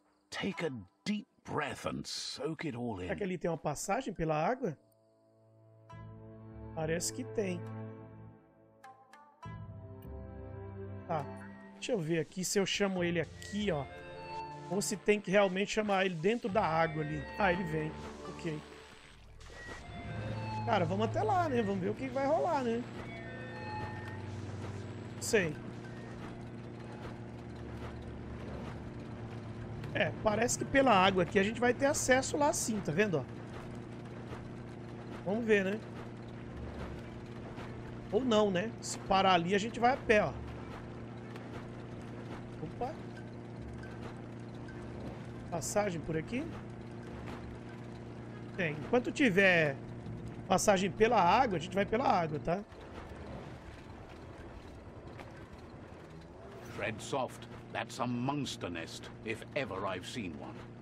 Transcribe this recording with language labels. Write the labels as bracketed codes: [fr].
[en] Take a deep breath and soak it all in. [pt] Será que ali tem uma passagem pela água? Parece que tem. Tá. Deixa eu ver aqui se eu chamo ele aqui, ó. Ou se tem que realmente chamar ele dentro da água ali. Ah, ele vem. Ok. Cara, vamos até lá, né? Vamos ver o que vai rolar, né? Sei. É, parece que pela água aqui a gente vai ter acesso lá sim, tá vendo? Ó? Vamos ver, né? Ou não, né? Se parar ali a gente vai a pé, ó. Opa. Passagem por aqui? Tem. Enquanto tiver passagem pela água, a gente vai pela água, tá? [en] Tread soft. That's a monster nest, if ever I've seen one.